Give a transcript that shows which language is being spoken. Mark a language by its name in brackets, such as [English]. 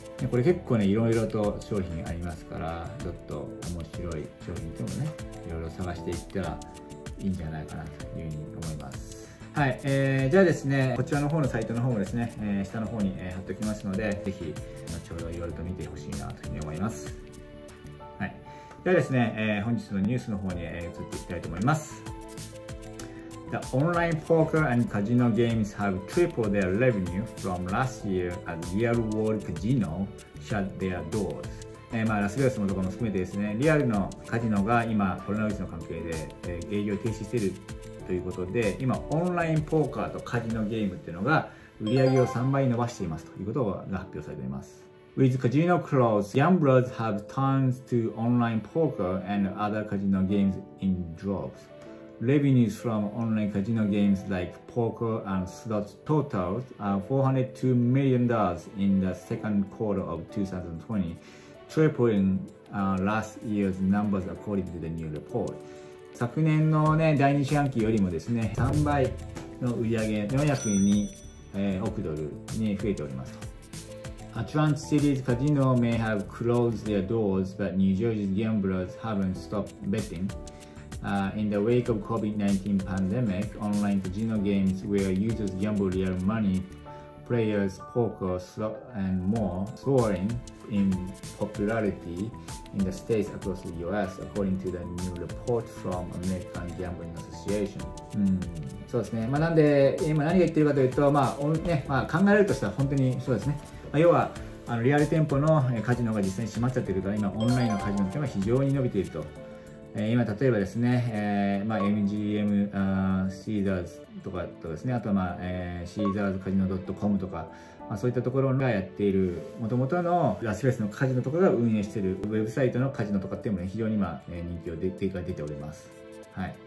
[Japanese] これ結構ね、いろいろと商品ありますから、ちょっと面白い商品でもね、いろいろ探していったらいいんじゃないかなというふうに思います。はい。じゃあですね、こちらの方のサイトの方もですね、下の方に貼っておきますので、ぜひ、後ほどいろいろと見てほしいなというふうに思います。はい。ではですね、本日のニュースの方に移っていきたいと思います。 [English] The online poker and casino games have tripled their revenue from last year as real world casino shut their doors. [Japanese] ラスベガスのところも含めてですね、リアルのカジノが今コロナウイルスの関係で、営業停止しているということで、今オンラインポーカーとカジノゲームっていうのが売り上げを3倍伸ばしていますということが発表されています。 [English] With casino closed, gamblers have turned to online poker and other casino games in droves. Revenues from online casino games like poker and slots totaled $402 million in the second quarter of 2020, tripling last year's numbers according to the new report. [Japanese] 昨年の、ね、第二四半期よりもですね、3倍の売り上げ402億ドルに増えておりますと。 [English] Atlantic City's casino may have closed their doors, but New Jersey's gamblers haven't stopped betting. In the wake of COVID-19 pandemic, online casino games where users gamble real money, players, poker, slot, and more soaring in popularity in the states across the US, according to the new report from American Gambling Association.、 [Japanese] そうですね。なんで、今何が言ってるかというと、考えられるとしたら本当にそうですね。要は、リアル店舗のカジノが実際に閉まっちゃってるから、今オンラインのカジノっていうのは非常に伸びていると。今例えばですね、MGM、シーザーズとかとですね、あとは、シーザーズカジノ .com とか、そういったところがやっている、もともとのラスベガスのカジノとかが運営しているウェブサイトのカジノとかっていうのも、ね、非常に今、人気を出てが出ております、はい。